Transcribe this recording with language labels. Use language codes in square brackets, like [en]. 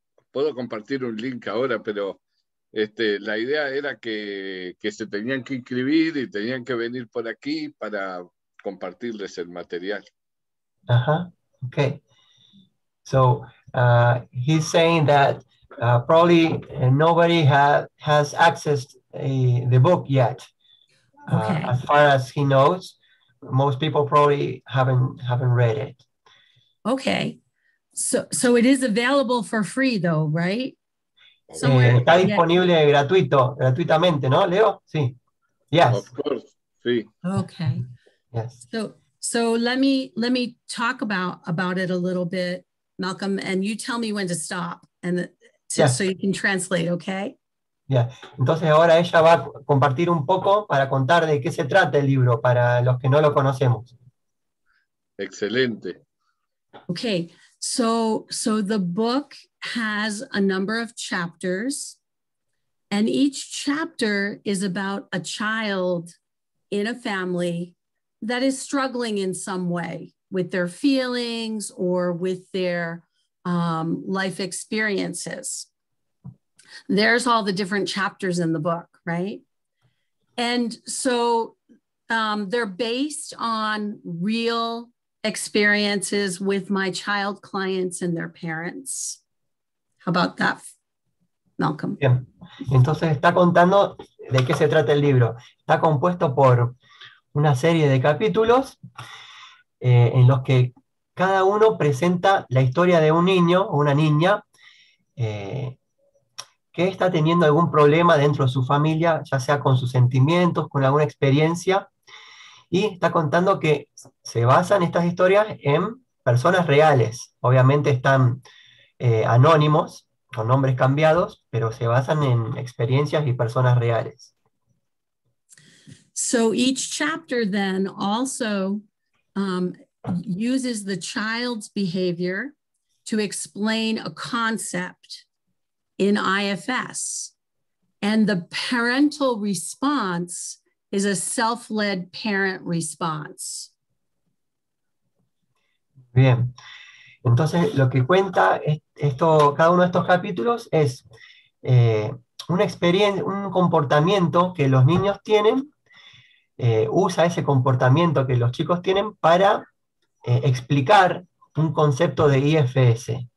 [es] Puedo compartir un link ahora, pero la idea era que se tenían que inscribir y tenían que venir por aquí para compartirles el material. Ajá. Okay. [en] So he's saying that probably nobody has accessed the book yet. Okay. As far as he knows, most people probably haven't read it. Okay. So it is available for free though, right? [es] Está disponible gratuitamente, ¿no, Leo? Sí. [en] Yes. Of course. [es] Sí. Okay. [en] Yes. So let me talk about it a little bit, Malcolm, and you tell me when to stop and so you can translate, okay? Yeah. [es] Entonces ahora ella va a compartir un poco para contar de qué se trata el libro para los que no lo conocemos. Excelente. Okay. [en] So the book has a number of chapters, and each chapter is about a child in a family that is struggling in some way with their feelings or with their life experiences. There's all the different chapters in the book, right? And so they're based on real experiences with my child clients and their parents. How about that, Malcolm? [es] Bien. Entonces está contando de qué se trata el libro. Está compuesto por una serie de capítulos en los que cada uno presenta la historia de un niño o una niña que está teniendo algún problema dentro de su familia, ya sea con sus sentimientos, con alguna experiencia, y está contando que se basan estas historias en personas reales. Obviamente están anónimos, con nombres cambiados, pero se basan en experiencias y personas reales. [en] So each chapter then also uses the child's behavior to explain a concept in IFS. And the parental response is a self-led parent response. [es] Bien. Entonces, lo que cuenta esto, cada uno de estos capítulos es una experiencia, un comportamiento que los niños tienen, usa ese comportamiento que los chicos tienen para explicar un concepto de IFS